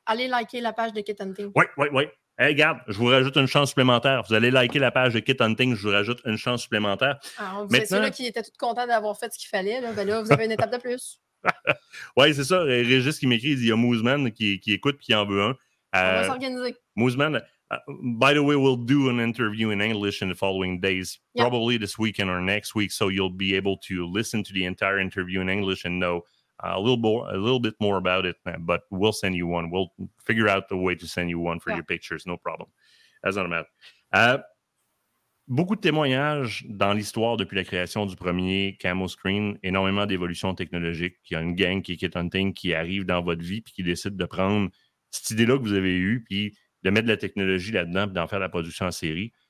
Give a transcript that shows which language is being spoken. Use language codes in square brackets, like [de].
[fr] Allez liker la page de Kit Hunting. Oui. Hey, regarde, je vous rajoute une chance supplémentaire. Vous allez liker la page de Kit Hunting, je vous rajoute une chance supplémentaire. Ah, vous êtes ceux-là qui étaient tout contents d'avoir fait ce qu'il fallait. Là, ben là vous avez une étape de plus. Oui, c'est ça. Régis qui m'écrit, il y a Mooseman qui écoute et qui en veut un. On va s'organiser. [en] Mooseman, by the way, we'll do an interview in English in the following days. Yep. Probably this weekend or next week, so you'll be able to listen to the entire interview in English and know a little bit more about it, but we'll send you one. We'll figure out the way to send you one for your pictures, no problem. That's not a matter. [fr] Beaucoup de témoignages dans l'histoire depuis la création du premier camo screen, énormément d'évolutions technologiques. Il y a une gang qui est Kit Hunting qui arrive dans votre vie puis qui décide de prendre cette idée-là que vous avez eue puis de mettre de la technologie là-dedans puis d'en faire la production en série.